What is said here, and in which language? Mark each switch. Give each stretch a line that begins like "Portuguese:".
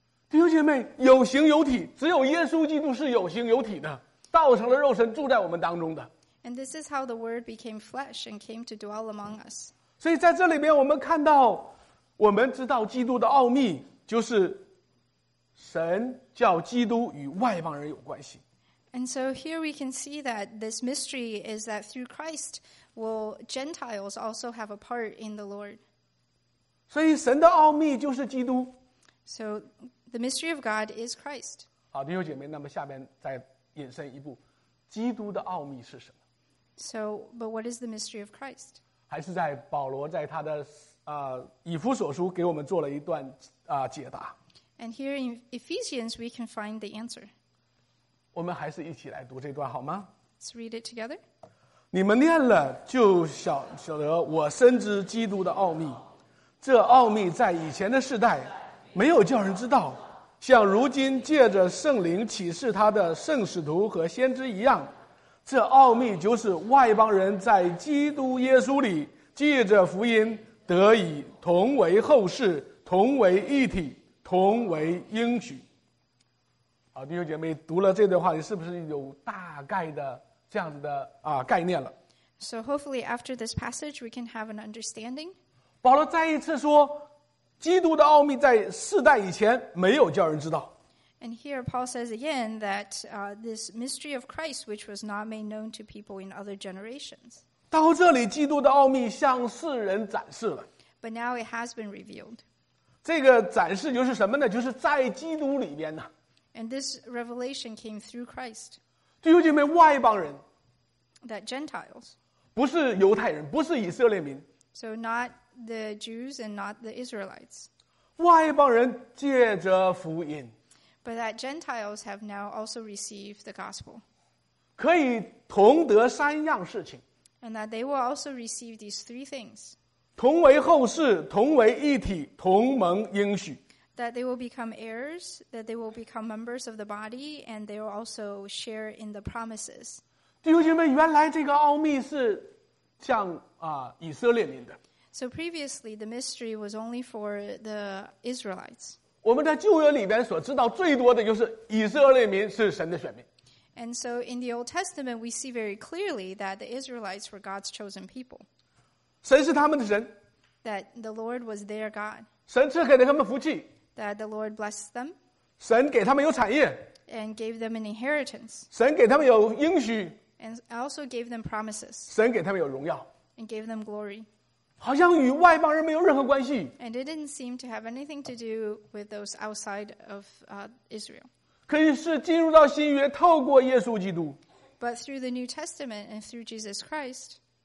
Chinese: 弟兄姐妹，有形有体，只有耶稣基督是有形有体的，道成了肉身，住在我们当中的。
English: And this is how the Word became flesh and came to dwell among us.
Chinese: 所以在这里面，我们看到，我们知道基督的奥秘，就是神叫基督与外邦人有关系。
English: And so here we can see that this mystery is that through Christ will Gentiles also have a part in the Lord.
Chinese: 所以神的奥秘就是基督。
English: So the mystery of God is Christ.
Chinese: 好，弟兄姐妹，那么下面再引申一步，基督的奥秘是什么？
English: So, but what is the mystery of Christ?
Chinese: 还是在保罗在他的以弗所书给我们做了一段解答。
English: And here in Ephesians we can find the answer.
Chinese: 我们还是一起来读这段好吗？
English: Let's read it together.
Chinese: 你们念了就晓得我深知基督的奥秘。这奥秘在以前的世代没有叫人知道，像如今借着圣灵启示他的圣使徒和先知一样，这奥秘就是外邦人在基督耶稣里借着福音得以同为后世，同为一体，同为应许。好，弟兄姐妹，读了这段话，你是不是有大概的这样子的概念了？
English: So hopefully after this passage we can have an understanding.
Chinese: 保罗再一次说，基督的奥秘在世代以前没有叫人知道。
English: And here Paul says again that this mystery of Christ, which was not made known to people in other generations.
Chinese: 到这里，基督的奥秘向世人展示了。
English: But now it has been revealed.
Chinese: 这个展示就是什么呢？就是在基督里边呢。
English: And this revelation came through Christ.
Chinese: 弟兄姐妹，外邦人。
English: That Gentiles.
Chinese: 不是犹太人，不是以色列民。
English: So not. The Jews and not the Israelites.
Chinese: 外邦人借着福音。
English: but that Gentiles have now also received the gospel.
Chinese: 可以同得三样事情。
English: And that they will also receive these three things.
Chinese: 同为后世，同为一体，同蒙应许。
English: That they will become heirs, that they will become members of the body, and they will also share in the promises.
Chinese: 弟兄姐妹，原来这个奥秘是向以色列民的。
English: So previously, the mystery was only for the Israelites.
Chinese: 我们在旧约里边所知道最多的就是以色列民是神的选民。
English: And so in the Old Testament, we see very clearly that the Israelites were God's chosen people.
Chinese: 神是他们的神。
English: That the Lord was their God.
Chinese: 神赐给了他们福气。
English: That the Lord blessed them.
Chinese: 神给他们有产业。
English: And gave them an inheritance.
Chinese: 神给他们有应许。
English: And also gave them promises.
Chinese: 神给他们有荣耀。
English: And gave them glory.
Chinese: 好像与外邦人没有任何关系。
English: And it didn't seem to have anything to do with those outside of Israel.
Chinese: 可以是进入到新约，透过耶稣基督。
English: But through the New Testament and through Jesus Christ.